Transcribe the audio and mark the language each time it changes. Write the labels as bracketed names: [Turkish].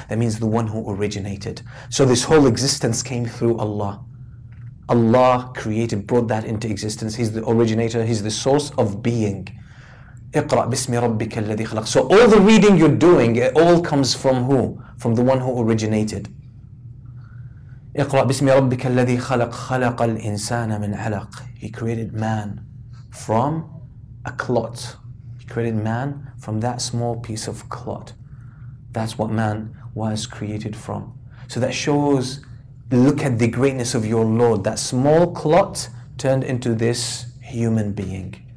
[English] That means the one who originated. So this whole existence came through Allah. Allah created, brought that into existence. He's the originator. He's the source of being. [Arabic] اقرأ بسم ربك الذي خلق. [English] So all the reading you're doing, it all comes from who? From the one who originated. [Arabic] اقرأ بسم ربك الذي خلق خلق الإنسان من علق. [English] He created man from a clot. He created man from that small piece of clot. That's what man was created from. So that shows, look at the greatness of your Lord. That small clot turned into this human being.